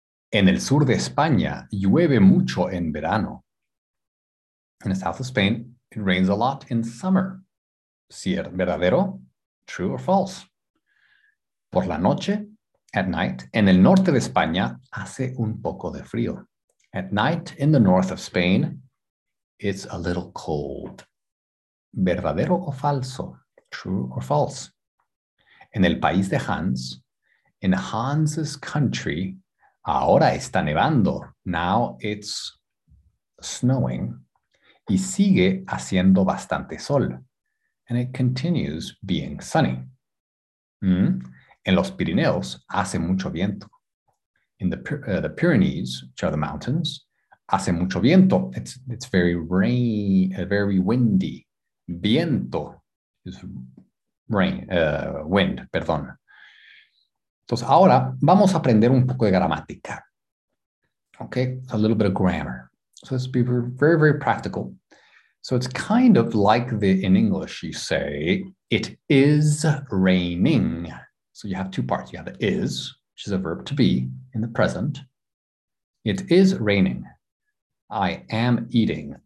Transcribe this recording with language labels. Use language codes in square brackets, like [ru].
[es] En el sur de España, llueve mucho en verano. [en] In the south of Spain, it rains a lot in summer. [es] ¿Verdadero? [en] True or false? [es] Por la noche, [en] at night, [es] en el norte de España, hace un poco de frío. [en] At night, in the north of Spain, it's a little cold. [es] ¿Verdadero o falso? [en] True or false? [es] En el país de Hans, [en] in Hans's country, [es] ahora está nevando. [en] Now it's snowing. [es] Y sigue haciendo bastante sol. [en] And it continues being sunny. [es] En los Pirineos, hace mucho viento. [en] In the Pyrenees, which are the mountains, [es] hace mucho viento. [en] It's very rainy, very windy. Viento is wind, perdón. [es] Entonces, ahora vamos a aprender un poco de gramática. [en] Okay, a little bit of grammar. So let's be very, very practical. So it's kind of like in English, you say, it is raining. So you have two parts. You have the is, which is a verb to be in the present. It is raining. I am eating.